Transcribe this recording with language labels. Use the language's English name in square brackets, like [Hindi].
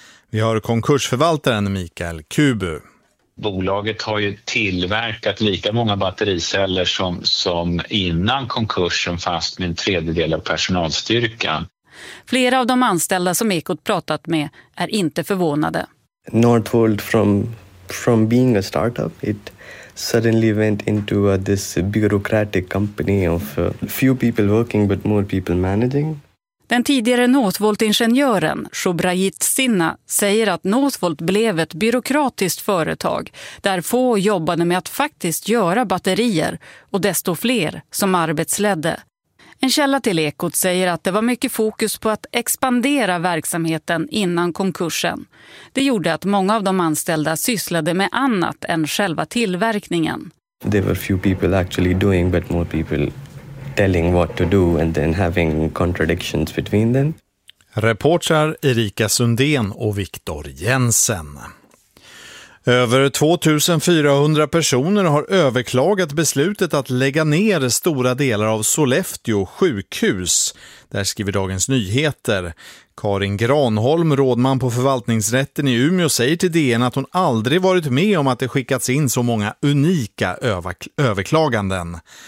[Swedish] Vi har konkursförvaltaren Mikael Kubu. Bolaget har ju tillverkat lika många battericeller som innan konkursen, fast med en tredjedel av personalstyrkan. Flera av de anställda som Ekot pratat med är inte förvånade. [English] Northvolt from being a startup, it suddenly went into this bureaucratic company of few people working but more people managing. [Swedish] Den tidigare Northvolt-ingenjören Shubhrajit Sinha säger att Northvolt blev ett byråkratiskt företag där få jobbade med att faktiskt göra batterier och desto fler som arbetsledde. En källa till Ekot säger att det var mycket fokus på att expandera verksamheten innan konkursen. Det gjorde att många av de anställda sysslade med annat än själva tillverkningen. [English] There were few people actually doing, but more people telling what to do and then having contradictions between them. [Swedish] Reportrar Erika Sundén och Viktor Jensen. Över 2400 personer har överklagat beslutet att lägga ner stora delar av Sollefteå sjukhus. Där skriver Dagens Nyheter. Karin Granholm, rådman på förvaltningsrätten i Umeå, säger till DN att hon aldrig varit med om att det skickats in så många unika överklaganden.